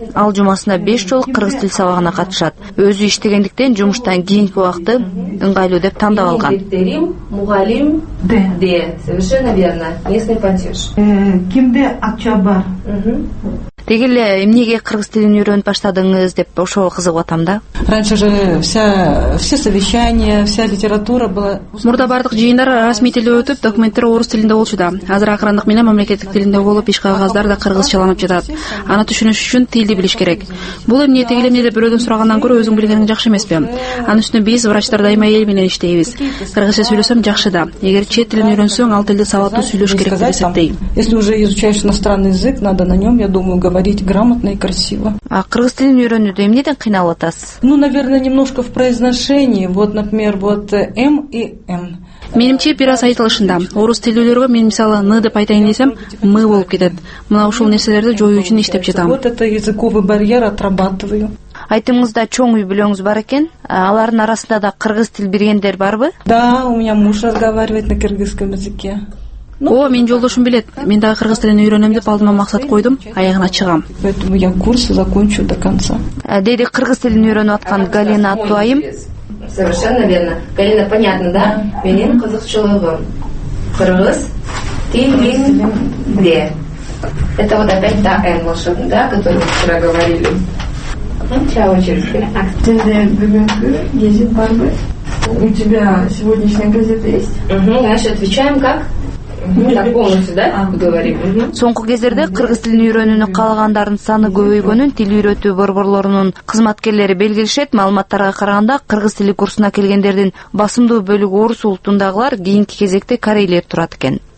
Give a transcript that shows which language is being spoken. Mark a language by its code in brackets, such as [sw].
[ky] Ал жумасына 5 жолу кыргыз тил сабагына катышат. Өзү иштегендиктен жумуштан кийинки убакты ыңгайлуу деп тандап алган. Мугалим де. [ru] Совершенно верно. Местный платеж. [ky] Кимде акча бар? Деги эле эмнеге кыргыз тилин үйрөнүп баштадыңыз деп ошого кызыгып атам да. [ru] Раньше же все совещания, вся литература была. [ky] Мурда бардык жыйындар расмий тилде өтүп, документтер орус тилинде болчу да. Азыр акырындык менен мамлекеттик тилинде болуп, иш кагаздар да кыргызчаланып жатат. Аны түшүнүш үчүн тилди билиш керек. Бул эмне тиги эле эмнеде бирөөдөн сурагандан көрө өзүң билгениң жакшы эмеспи? Анын үстүнө биз врачтар дайыма эл менен иштейбиз. Кыргызча сүйлөсөм жакшы да. Эгер чет тилин үйрөнсөң, ал тилде сабаттуу сүйлөш керек деп эсептейм. [ru] Если уже изучаешь иностранный язык, надо на нём, я думаю, говорить грамотно и красиво. [ky] А кыргыз тилин үйрөнүүдө эмнеден кыйналып атасыз? [ru] Наверное, немножко в произношении. Вот, например, вот М и М. [ky] Менимче бир аз айтылышында. Орус тилдүүлөргө мен мисалы Н деп айтайын десем, М болуп кетет. Мына ушул нерселерди жоюу үчүн иштеп жатам. [ru] Вот это языковый барьер отрабатываю. [ky] Айтымыңызда чоң үй бүлөңүз бар экен. Алардын арасында да кыргыз тил билгендер барбы? [ru] Да, у меня муж разговаривает на кыргызском языке. [ky] Мен жолдошум билет. Мен дагы кыргыз тилин үйрөнөм деп алдыма максат койдум, аягына чыгам. [ru] Поэтому я курсы закончу до конца. [ky] Деди кыргыз тилин үйрөнүп аткан Галина аттуу айым. [ru] Совершенно верно. Галина, понятно, да? [ky] Менин кызыкчылыгым кыргыз тилинде. [ru] Это вот опять та эн волшебная, да, которую мы вчера говорили. Начало через. Тебе [ky] бүгүнкү гезит барбы? [ru] У тебя сегодняшняя газета есть? Значит, отвечаем как? [ky] Соңку кездерде кыргыз тилин үйрөнүүнү каалагандардын саны көбөйгөнүн тил үйрөтүү борборлорунун кызматкерлери белгилишет. Маалыматтарга караганда кыргыз тили курсуна келгендердин басымдуу бөлүгү орус улутундагылар, кийинки кезекте корейлер турат экен.